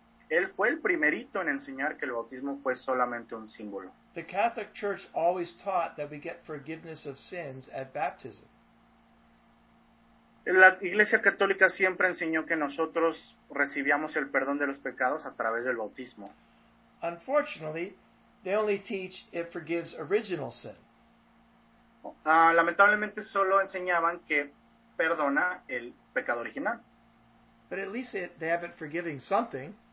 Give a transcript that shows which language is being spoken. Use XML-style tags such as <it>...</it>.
<es>Él fue el primerito en enseñar que el bautismo fue solamente un símbolo.</es> <en>The Catholic Church always taught that we get forgiveness of sins at baptism.</en> <es>La Iglesia Católica siempre enseñó que nosotros recibíamos el perdón de los pecados a través del bautismo.</es> <en>Unfortunately, they only teach it forgives original sin.</en> <es>Lamentablemente solo enseñaban que perdona el pecado original.</es> <en>But at least they have it forgiving something.</en>